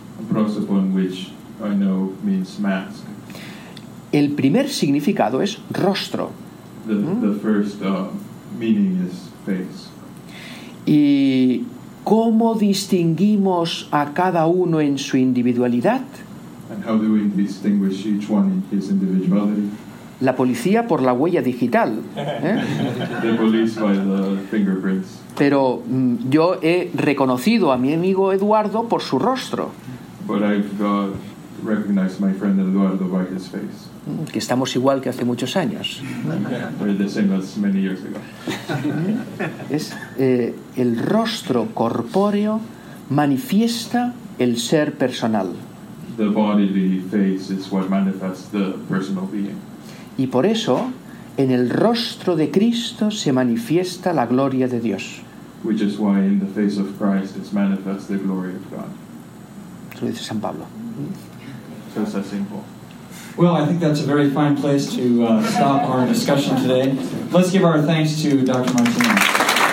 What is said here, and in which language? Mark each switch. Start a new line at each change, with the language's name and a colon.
English: Prosopon, which I know means mask.
Spanish: El primer significado es rostro.
English: The first meaning is face.
Spanish: ¿Y cómo distinguimos a cada uno en su individualidad?
English: And how do we distinguish each one in his individuality?
Spanish: La policía por la huella digital.
English: The police by the fingerprints.
Spanish: Pero yo he reconocido a mi amigo Eduardo por su rostro.
English: But I've recognized my friend Eduardo by his face.
Spanish: Que estamos igual que hace muchos años.
English: We're the same as many years ago.
Spanish: Es el rostro corpóreo manifiesta el ser personal.
English: The bodily face is what manifests the personal being.
Spanish: Y por eso, en el rostro de Cristo se manifiesta la gloria de Dios.
English: Which is why in the face of Christ is manifest the glory of God.
Spanish: Eso lo dice San Pablo.
English: So it's that simple. Well, I think that's a very fine place to stop our discussion today. Let's give our thanks to Dr. Martinez.